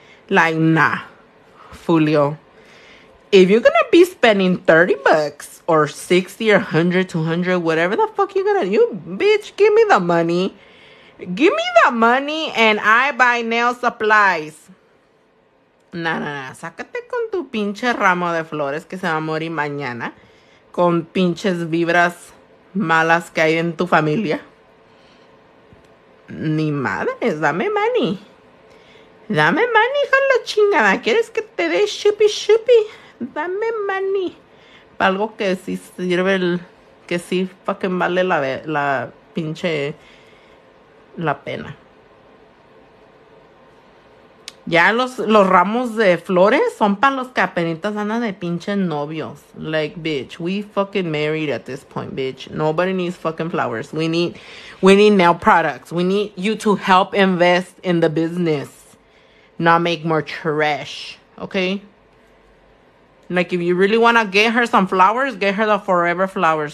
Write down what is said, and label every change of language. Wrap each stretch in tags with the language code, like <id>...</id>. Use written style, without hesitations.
<en>Like, nah. Fulio. If you're going to be spending 30 bucks or 60 or 100, 200, whatever the fuck you're going to... You, bitch, give me the money. Give me the money and I buy nail supplies. Nah, nah, nah.</en> <es>Sácate con tu pinche ramo de flores que se va a morir mañana. Con pinches vibras malas que hay en tu familia. Ni madres, dame money. Dame money, hija la chingada. ¿Quieres que te dé shupi shupi? Dame money. Para algo que sí sirve el... Que sí fucking vale la pinche... La pena. Ya los ramos de flores son para los que apenitas andan de pinche novios.</es> <en>Like, bitch, we fucking married at this point, bitch. Nobody needs fucking flowers. We need nail products. We need you to help invest in the business. Not make more trash, okay? Like, if you really want to get her some flowers, get her the forever flowers.</en>